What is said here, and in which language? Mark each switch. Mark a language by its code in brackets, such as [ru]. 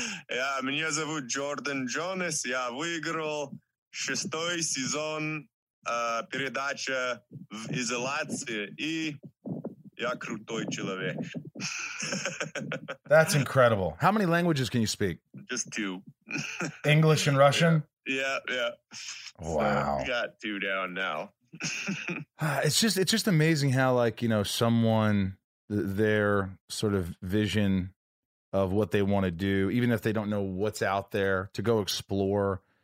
[ru] Yeah, меня зовут Jordan Jonas. Я выиграл 6-й сезон передача в изоляции, и я крутой человек. [en] That's incredible. How many languages can you speak? Just 2. English and Russian? Yeah. Yeah. Wow. So got 2 down now. it's just amazing how, like, someone, their sort of vision of what they want to do, even if they don't know what's out there, to go explore.